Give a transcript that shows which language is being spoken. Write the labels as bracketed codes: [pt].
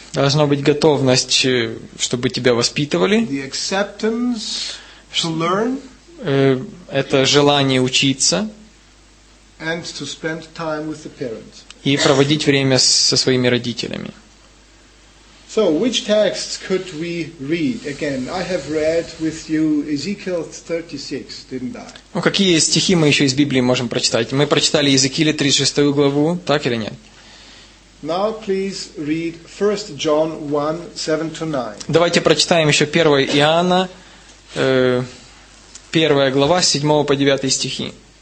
[ru] должна быть готовность, чтобы тебя воспитывали, [en] the acceptance to learn, [ru] это желание учиться [en] and to spend time with the parents. [ru] И проводить время со своими родителями. [en] So, which texts could we read? Again, I have read with you Ezekiel 36, didn't I? [ru] Ну, какие стихи мы еще из Библии можем прочитать? Мы прочитали Иезекииля 36 главу, так или нет? [en] Now please read 1 John 1:7-9. [ru] Давайте прочитаем еще 1 Иоанна, 1 глава, 7 по 9 стихи.